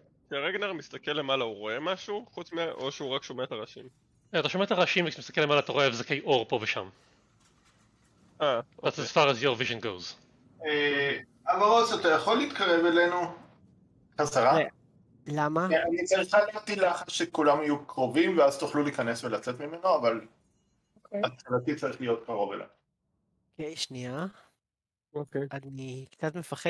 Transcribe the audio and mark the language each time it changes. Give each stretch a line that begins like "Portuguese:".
Hebrew: רגנר מסתכל למעלה, הוא רואה משהו? חוץ מה... או שהוא רק שומע את הרעשים? אתה שומע את הרעשים וכשמסתכל למעלה אתה רואה הבזקי אור פה ושם.
English: That's as far as your vision goes.
Hebrew: אברוס, אתה יכול להתקרב אלינו? חזרה? למה? אני צריכה להטיל לחץ שכולם יהיו קרובים ואז תוכלו להיכנס ולצאת ממנו, אבל... התחלתי צריך להיות קרוב אליו. אוקיי, שנייה. אוקיי. אני קצת מפחד.